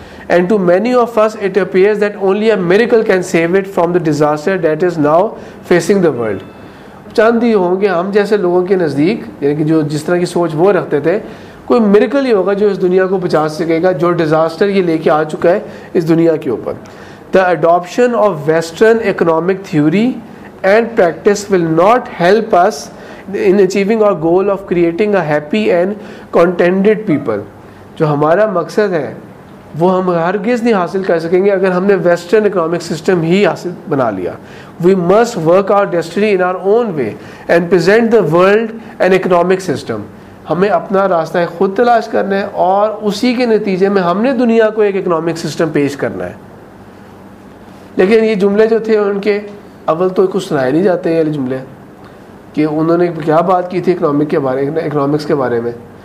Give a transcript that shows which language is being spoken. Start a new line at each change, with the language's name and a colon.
English: And to many of us it appears that only a miracle can save it from the disaster that is now facing the world.
Hindi: चंद ही होंगे हम जैसे लोगों के नज़दीक, यानी कि जो जिस तरह की सोच वो रखते थे, कोई मिरेकल ही होगा जो इस दुनिया को बचा सकेगा, जो डिज़ास्टर ये लेके आ चुका है इस दुनिया के ऊपर।
English: The adoption of Western economic theory and practice will not help us in achieving our goal of creating a happy and contented people.
Hindi: जो हमारा मकसद है वो हम हरगिज़ नहीं हासिल कर सकेंगे अगर हमने Western economic system ही हासिल बना लिया।
English: We must work our destiny in our own way and present the world an economic system.
Hindi: हमें अपना रास्ता है ख़ुद तलाश करना है और उसी के नतीजे में हमने दुनिया को एक economic system पेश करना है। लेकिन ये जुमले जो थे उनके, अव्वल तो कुछ सुनाए नहीं जाते ये जुमले कि उन्होंने क्या बात की थी इकोनॉमिक के बारे में, इकोनॉमिक्स के बारे में।